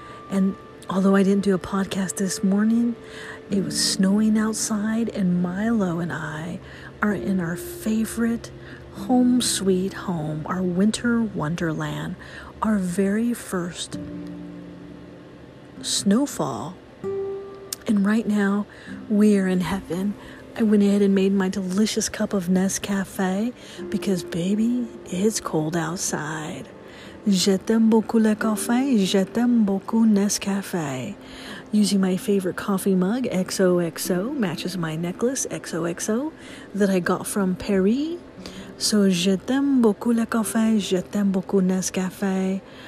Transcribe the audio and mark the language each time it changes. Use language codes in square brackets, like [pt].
[en] And although I didn't do a podcast this morning, it was snowing outside, and Milo and I are in our favorite home sweet home, our winter wonderland, our very first snowfall. And right now we are in heaven. I went ahead and made my delicious cup of Nescafe because, baby, it's cold outside. [fr] Je t'aime beaucoup le café, je t'aime beaucoup Nescafe. [en] Using my favorite coffee mug, XOXO, matches my necklace, XOXO, that I got from Paris. [fr] So, je t'aime beaucoup le café, je t'aime beaucoup Nescafe.